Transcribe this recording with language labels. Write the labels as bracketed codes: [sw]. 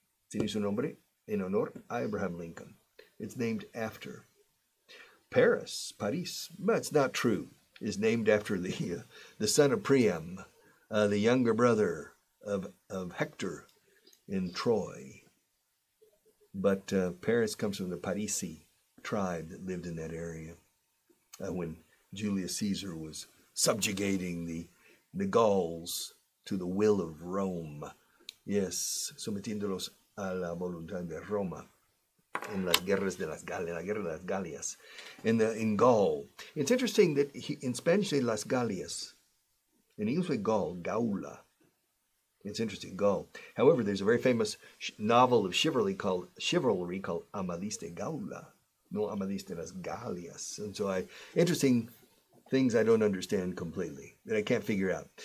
[es] Tiene su nombre en honor a Abraham Lincoln. [en] It's named after. Paris, that's not true, is named after the son of Priam, the younger brother of Hector in Troy. But Paris comes from the Parisi tribe that lived in that area when Julius Caesar was subjugating the Gauls to the will of Rome. [es] Yes, sometiéndolos a la voluntad de Roma. In las guerras de las Galias, la guerra de las Galias, in Gaul. [en] It's interesting that in Spanish they las Galias, in English we Gaul, Gaula. It's interesting, Gaul. However, there's a very famous novel of chivalry called Amadís de Gaula, no Amadís de las Galias. And so, interesting things I don't understand completely that I can't figure out.